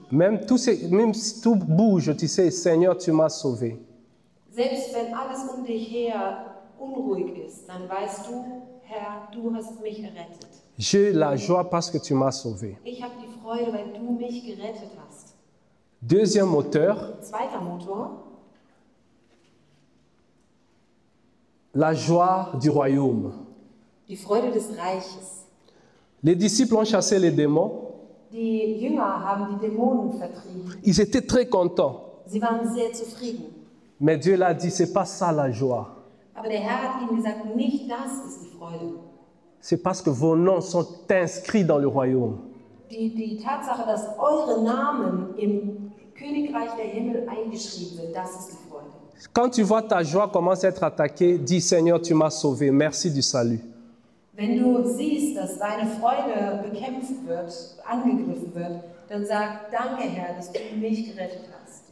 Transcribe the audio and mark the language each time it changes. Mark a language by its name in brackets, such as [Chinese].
[French] Même si tout bouge, tu sais, Seigneur, tu m'as sauvé. [German] Selbst wenn alles um dich her unruhig ist, dann weißt du, Herr, du hast mich errettet. [French] J'ai la joie parce que tu m'as sauvé. [German] Ich habe die Freude, weil du mich gerettet hast. [French] Deuxième moteur. [German] Zweiter Motor. [French] La joie du royaume. [German] Die Freude des Reiches. [French] Les disciples ont chassé les démons. [German] Die Jünger haben die Dämonen vertrieben. [French] Ils étaient très contents. [German] Sie waren sehr zufrieden. [French] Mais Dieu l'a dit, c'est pas ça la joie. [German] Aber der Herr hat ihnen gesagt, nicht das ist die Freude. [French] C'est parce que vos noms sont inscrits dans le royaume. [German] Die Tatsache, dass eure Namen im Königreich der Himmel eingeschrieben sind, das ist die Freude. [French] Quand tu vois ta joie commence à être attaquée, dis Seigneur, tu m'as sauvé, merci du salut. [German] Wenn du siehst, dass deine Freude bekämpft wird, angegriffen wird, dann sag, danke Herr, dass du mich gerettet hast.